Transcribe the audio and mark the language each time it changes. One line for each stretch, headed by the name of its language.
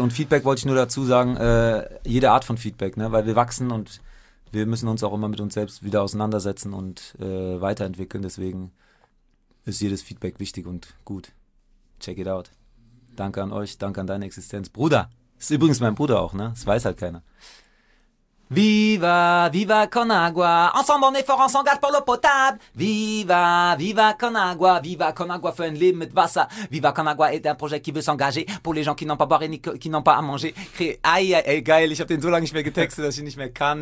German: Und Feedback wollte ich nur dazu sagen, jede Art von Feedback, ne? Weil wir wachsen und wir müssen uns auch immer mit uns selbst wieder auseinandersetzen und weiterentwickeln. Deswegen ist jedes Feedback wichtig und gut.
English: Check it out.
German: Danke an euch, danke an deine Existenz. Bruder, ist übrigens mein Bruder auch, ne? Das weiß halt keiner.
French: Viva, viva Con Agua, ensemble on est fort, on s'engage pour l'eau potable.
German: Viva, viva Con Agua für ein Leben mit Wasser.
French: Viva Con Agua est un projet qui veut s'engager pour les gens qui n'ont pas boire et qui n'ont pas à manger.
German: Ey, geil, ich hab den so lange nicht mehr getextet, dass ich nicht mehr kann.